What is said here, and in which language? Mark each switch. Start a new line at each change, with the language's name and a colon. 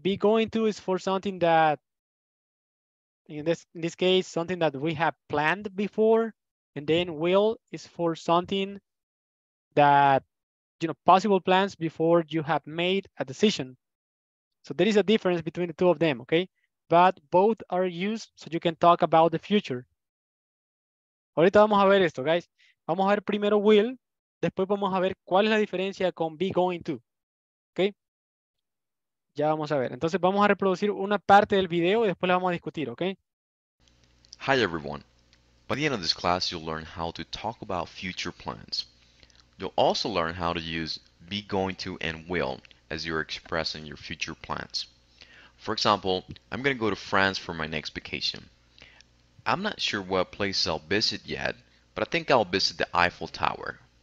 English: Be going to is for something that, in this case, something that we have planned before. And then will is for something that, you know, possible plans before you have made a decision. So there is a difference between the two of them, ¿ok? But both are used so you can talk about the future.
Spanish: Ahorita vamos a ver esto, guys. Vamos a ver primero will, después vamos a ver cuál es la diferencia con be going to. ¿Ok? Ya vamos a ver. Entonces vamos a reproducir una parte del video y después la vamos a discutir, ¿ok?
English: Hi, everyone. By the end of this class, you'll learn how to talk about future plans. You'll also learn how to use be going to and will as you're expressing your future plans. For example, I'm going to go to France for my next vacation. I'm not sure what place I'll visit yet, but I think I'll visit the Eiffel Tower.